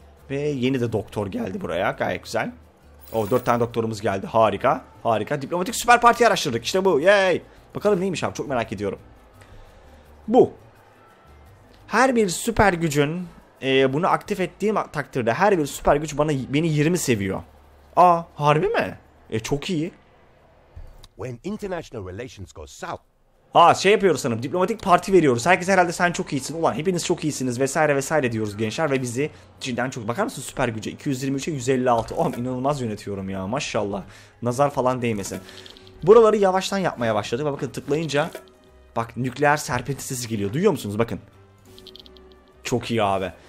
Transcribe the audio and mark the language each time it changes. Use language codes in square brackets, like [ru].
[tr] Ve yeni de doktor geldi buraya. Gayet güzel. O 4 tane doktorumuz geldi. Harika. Harika. Diplomatik süper parti araştırdık. İşte bu. Yay. Bakalım neymiş abi. Çok merak ediyorum. Bu. Her bir süper gücün bunu aktif ettiğim takdirde her bir süper güç bana beni 20 seviyor. Aa harbi mi? Çok iyi. [en] When international relations go south. [tr] Ha şey yapıyoruz sanırım. Diplomatik parti veriyoruz. Herkes herhalde sen çok iyisin. Ulan hepiniz çok iyisiniz vesaire vesaire diyoruz gençler ve bizi cidden çok. Bakar mısın süper güce? 223'e 156. Oğlum inanılmaz yönetiyorum ya. Maşallah. Nazar falan değmesin. Buraları yavaştan yapmaya başladık ve bakın tıklayınca bak nükleer serpinti sesi geliyor. Duyuyor musunuz? Bakın. Çok iyi abi.